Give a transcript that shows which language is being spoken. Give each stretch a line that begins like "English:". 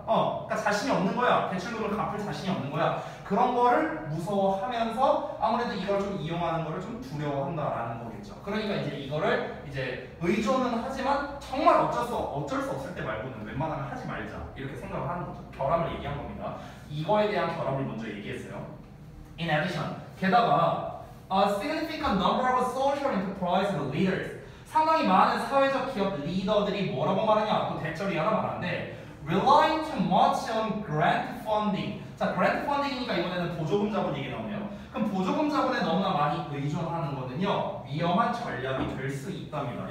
Korean: 그러니까 자신이 없는 거야. 대출금을 갚을 자신이 없는 거야. 그런 거를 무서워하면서 아무래도 이걸 좀 이용하는 거를 좀 두려워한다라는 거겠죠. 그러니까 이제 이거를 이제 의존은 하지만 정말 어쩔 수 없을 때 말고는 웬만하면 하지 말자. 이렇게 생각을 하는 거죠. 결함을 얘기한 겁니다. 이거에 대한 결함을 먼저 얘기했어요.
English: In addition,
Korean: 게다가
English: A significant number of social enterprise leaders.
Korean: 상당히 많은 사회적 기업 리더들이 뭐라고 말하냐? 또 대처리 하나 말하는데
English: relying too much on grant funding.
Korean: 자, grant funding이니까 이번에는 보조금 자본 얘기 나오네요. 그럼 보조금 자본에 너무나 많이 의존하는 거는요 위험한 전략이 될 수 있답니다.